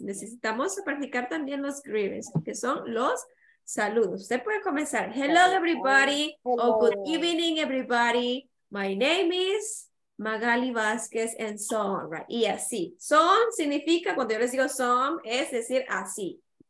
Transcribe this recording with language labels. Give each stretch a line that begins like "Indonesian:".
Spanish: Necesitamos practicar también los greetings, que son los saludos. Usted puede comenzar.
English: Hello, everybody. Hello. Oh, good evening, everybody. My name is Magali Vázquez, and so on, right?
Spanish: Y así. Son significa, cuando yo les digo son, es decir así.